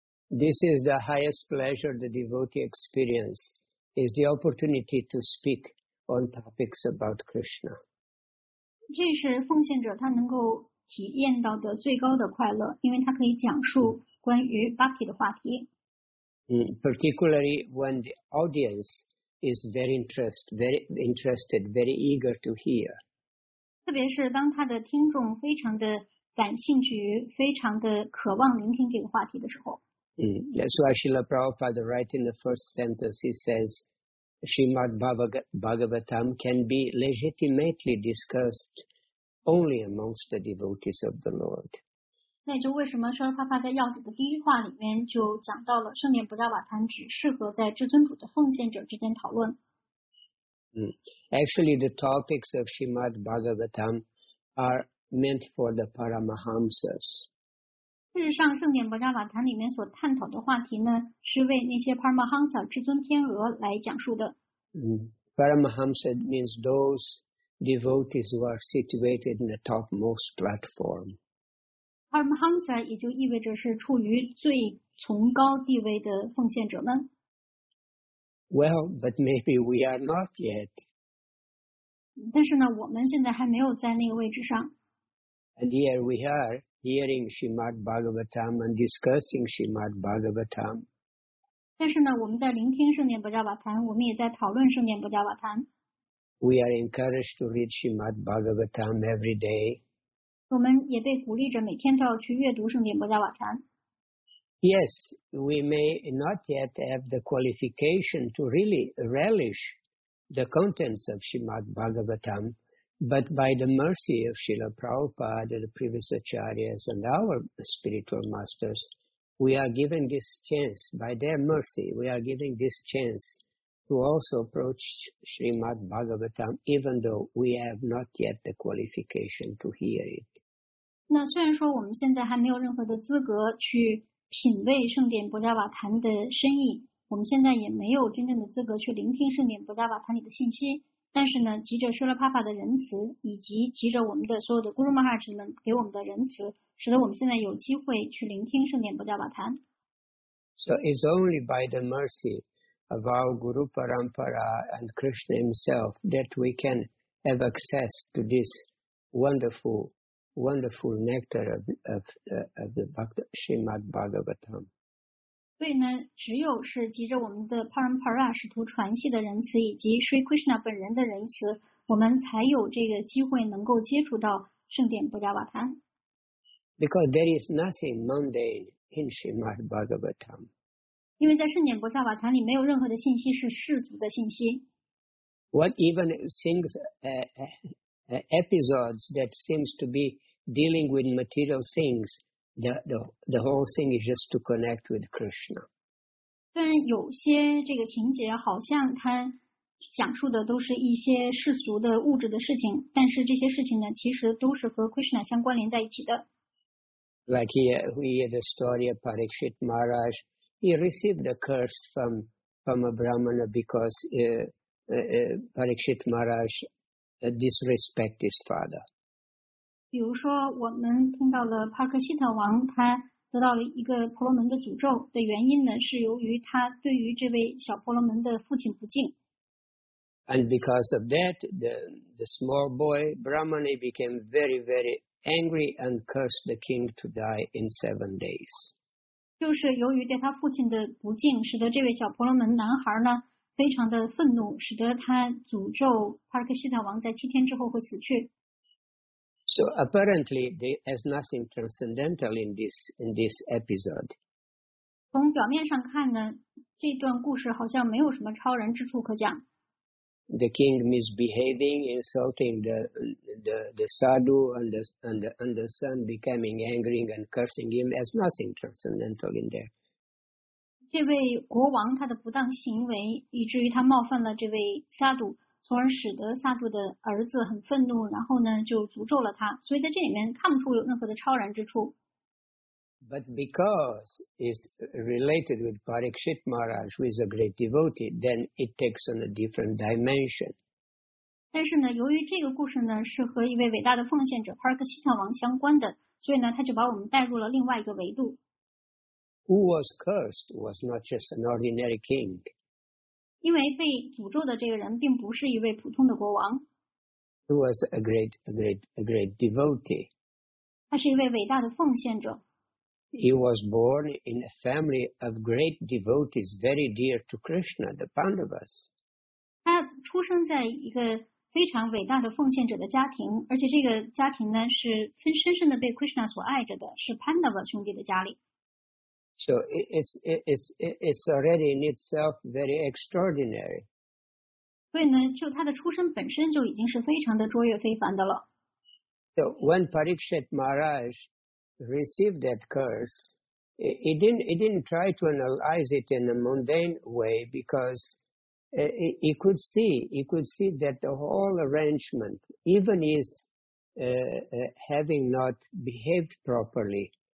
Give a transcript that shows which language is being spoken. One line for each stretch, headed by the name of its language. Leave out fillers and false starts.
English: This is the highest pleasure the devotee experience, is the opportunity to speak on topics about Krishna.
Chinese: 这是奉献者他能够体验到的最高的快乐，因为他可以讲述关于 Bhakti 的话题。
English: Particularly when the audience... is very interested, very eager to hear.
Chinese: 特别是当他的听众非常的感兴趣，非常的渴望聆听这个话题的时候。
English: That's why Srila Prabhupada write in the first sentence, he says, Srimad Bhagavatam can be legitimately discussed only amongst the devotees of the Lord.
Chinese: 那就为什么说他在要旨的第一话里面就讲到了圣典薄伽瓦坛只适合在至尊主的奉献者之间讨论。
English: Actually, the topics of Srimad Bhagavatam are meant for the Paramahamsas.
Chinese: 事实上，圣典薄伽瓦坛里面所探讨的话题呢，是为那些 Paramahamsa 至尊天鹅来讲述的。
English: Paramahamsa means those devotees who are situated in the topmost platform.
Chinese: Paramahamsa 也就意味着是处于最崇高地位的奉献者们。
English: Well, but maybe we are not yet.
Chinese: 但是呢，我们现在还没有在那个位置上。
English: And here we are hearing Srimad Bhagavatam and discussing Srimad Bhagavatam.
Chinese: 但是呢，我们在聆听圣典不加瓦坛，我们也在讨论圣典不加瓦坛。
English: We are encouraged to read Srimad Bhagavatam every day.
Chinese: 我们也被鼓励着每天都要去阅读圣典不加瓦坛。
English: Yes, we may not yet have the qualification to really relish the contents of Srimad Bhagavatam, but by the mercy of Srila Prabhupada, the previous acharyas, and our spiritual masters, we are given this chance, by their mercy, we are given this chance to also approach Srimad Bhagavatam, even though we have not yet the qualification to hear it.
Chinese: 那虽然说我们现在还没有任何的资格去品味圣典不加瓦坛的深意，我们现在也没有真正的资格去聆听圣典不加瓦坛里的信息，但是呢，急着舍勒帕帕的仁慈，以及急着我们的所有的古鲁玛哈智们给我们的仁慈，使得我们现在有机会去聆听圣典不加瓦坛。
English: So it's only by the mercy of our Guru Parampara and Krishna Himself that we can have access to this wonderful. Wonderful nectar of the Srimad Bhagavatam.
Chinese: 所以呢，只有是藉着我们的 Parampara 使徒传系的仁慈，以及 Sri Krishna 本人的仁慈，我们才有这个机会能够接触到圣典不加瓦坛。
English: Because there is nothing mundane in Srimad Bhagavatam.
Chinese: 因为在圣典不加瓦坛里，没有任何的信息是世俗的信息。
English: What even things episodes that seems to be dealing with material things, the whole thing is just to connect with Krishna.
Chinese: 虽然有些这个情节好像它讲述的都是一些世俗的物质的事情，但是这些事情呢，其实都是和 Krishna 相关联在一起的。
English: Like here, we hear the story of Parikshit Maharaj. He received a curse from a Brahmana because Parikshit Maharaj. Disrespect his father.
Chinese: 比如说，我们听到了帕克希特王，他得到了一个婆罗门的诅咒的原因呢，是由于他对于这位小婆罗门的父亲不敬。
English: And because of that, the small boy Brahmani became very, very angry and cursed the king to die in 7 days.
Chinese: 就是由于对他父亲的不敬，使得这位小婆罗门男孩呢。非常的愤怒，使得他诅咒帕克希塔王在7天之后会死去。
English: So apparently there is nothing transcendental in this episode.
Chinese: 从表面上看呢，这段故事好像没有什么超人之处可讲。
English: The king misbehaving, insulting the sadhu and the son, becoming angry and cursing him, has nothing transcendental in there.
Chinese: 这位国王他的不当行为，以至于他冒犯了这位萨杜，从而使得萨杜的儿子很愤怒，然后呢就诅咒了他。所以在这里面看不出有任何的超然之处。
English: But because it's related with Parikshit Maharaj, who is a great devotee, then it takes on a different dimension.
Chinese: 但是呢，由于这个故事呢是和一位伟大的奉献者帕克希特王相关的，所以呢他就把我们带入了另外一个维度。
English: Who was cursed was not just an ordinary king.
Chinese: 因为被诅咒的这个人并不是一位普通的国王。
English: He was a great devotee.
Chinese: 他是一位伟大的奉献者。
English: He was born in a family of great devotees, very dear to Krishna, the Pandavas.
Chinese: 他出生在一个非常伟大的奉献者的家庭，而且这个家庭呢是深深的被 Krishna 所爱着的，是 Pandava 兄弟的家里。
English: So it's already in itself very extraordinary.
Chinese: 所以呢，就他的出身本身就已经是非常的卓越非凡的了。
English: So when Parikshit Maharaj received that curse, he didn't try to analyze it in a mundane way because he could see that the whole arrangement, even his having not behaved properly.